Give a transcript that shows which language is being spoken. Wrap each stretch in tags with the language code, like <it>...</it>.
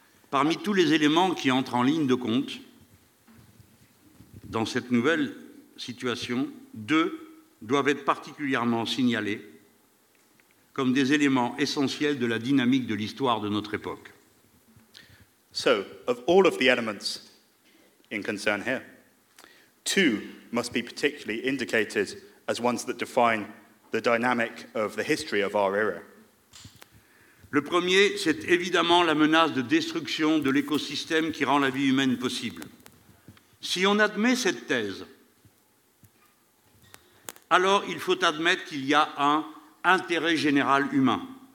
<fr>Parmi tous les éléments qui entrent en ligne de compte dans cette nouvelle situation, deux doivent être particulièrement signalés comme des éléments essentiels de la dynamique de l'histoire de notre époque.</fr> <en>So, of all of the elements in concern here, two must be particularly indicated as ones that define the dynamic of the history of our era.</en> <fr>Le premier, c'est évidemment la menace de destruction de l'écosystème qui rend la vie humaine possible. Si on admet cette thèse, alors il faut admettre qu'il y a un intérêt général humain.</fr>